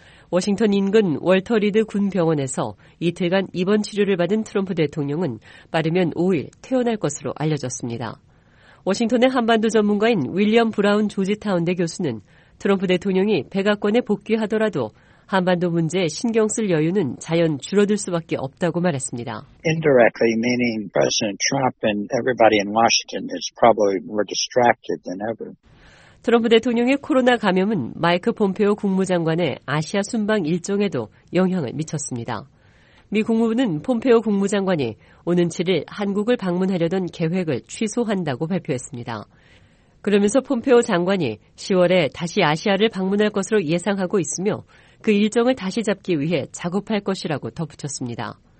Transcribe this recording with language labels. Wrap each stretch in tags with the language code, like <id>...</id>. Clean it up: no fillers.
<ko>워싱턴 인근 월터 리드 군 병원에서 이틀간 입원 치료를 받은 트럼프 대통령은 빠르면 5일 퇴원할 것으로 알려졌습니다. 워싱턴의 한반도 전문가인 윌리엄 브라운 조지타운대 교수는 트럼프 대통령이 백악관에 복귀하더라도 한반도 문제에 신경 쓸 여유는 자연 줄어들 수밖에 없다고 말했습니다.</ko> <en>Indirectly meaning President Trump and everybody in Washington is probably more distracted than ever.</en> <ko>트럼프 대통령의 코로나 감염은 마이크 폼페오 국무장관의 아시아 순방 일정에도 영향을 미쳤습니다. 미 국무부는 폼페오 국무장관이 오는 7일 한국을 방문하려던 계획을 취소한다고 발표했습니다. 그러면서 폼페오 장관이 10월에 다시 아시아를 방문할 것으로 예상하고 있으며 그 일정을 다시 잡기 위해 작업할 것이라고 덧붙였습니다.</ko>